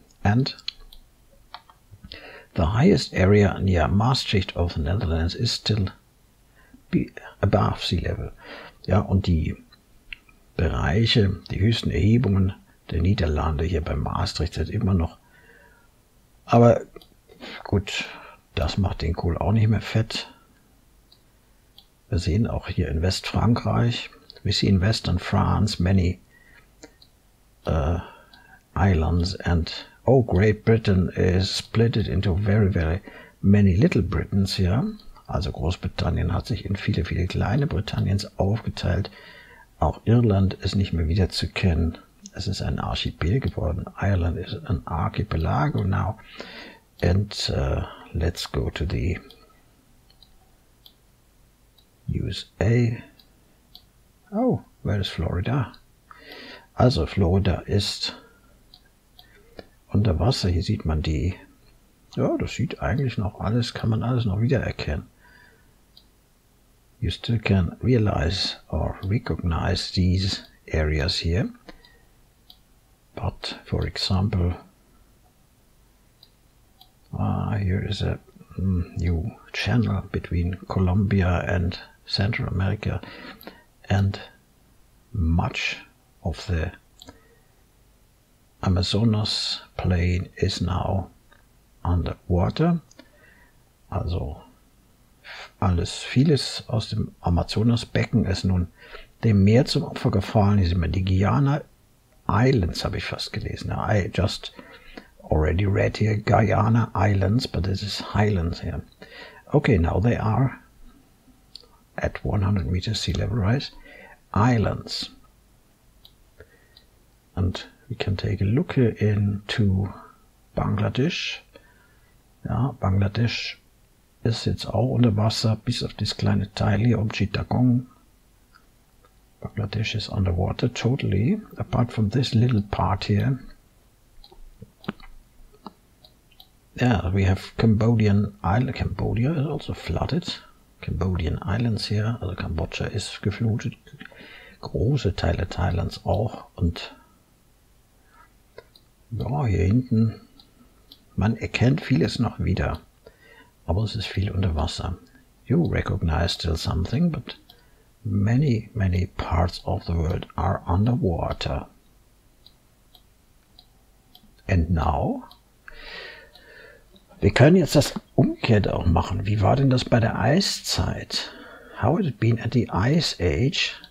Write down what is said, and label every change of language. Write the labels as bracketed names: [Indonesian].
[English] And the highest area near Maastricht of the Netherlands is still above sea level. [German] Ja, und die Bereiche, die höchsten Erhebungen der Niederlande hier bei Maastricht sind immer noch. Aber gut, das macht den Kohl auch nicht mehr fett. Wir sehen auch hier in Westfrankreich, [English] we see in Western France many islands and oh, Great Britain is splitted into very, very many little Britons here. [German] Also Großbritannien hat sich in viele, viele kleine Britanniens aufgeteilt. Auch Irland ist nicht mehr wiederzukennen. Es ist ein Archipel geworden. [English] Ireland is an archipelago now. And let's go to the USA. Oh, where is Florida? [German] Also Florida ist unter Wasser. Hier sieht man die. Ja, das sieht eigentlich noch alles, kann man alles noch wiedererkennen. [English] You still can realize or recognize these areas here. But, for example, here is a new channel between Colombia and Central America. And much of the Amazonas plain is now underwater. [German] Also alles, vieles aus dem Amazonasbecken ist nun dem Meer zum Opfer gefallen. Hier sieht man die Guyana Islands, habe ich fast gelesen. [English] I just already read here Guyana Islands, but this is Highlands here. Okay, now they are at 100 meters sea level rise. Islands. And we can take a look into Bangladesh. [German] Ja, Bangladesch ist jetzt auch unter Wasser, bis auf das kleine Teil hier um Chittagong. Bangladesch ist [English] underwater, totally, apart from this little part here. Yeah, we have Cambodian Island. Cambodia is also flooded. Cambodian Islands here, [German] also Kambodscha ist geflutet. Große Teile Thailands auch. Und ja, hier hinten, man erkennt vieles noch wieder, aber es ist viel unter Wasser. [English] You recognize still something, but many, many parts of the world are underwater. And now? [German] Wir können jetzt das Umgekehrte auch machen. Wie war denn das bei der Eiszeit? [English] How had it been at the Ice Age?